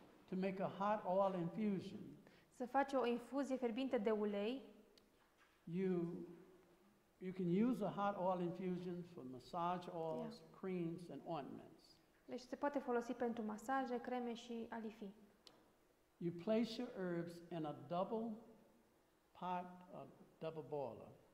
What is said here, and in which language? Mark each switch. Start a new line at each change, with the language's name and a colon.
English: To make a hot oil infusion.
Romanian: Să faci o infuzie fierbinte de ulei.
English: You can use a hot oil infusion for massage oils, yeah, creams and ointments.
Romanian: Deci se poate folosi pentru masaje, creme și alifii.
English: You place your herbs in a double pot, a double boiler.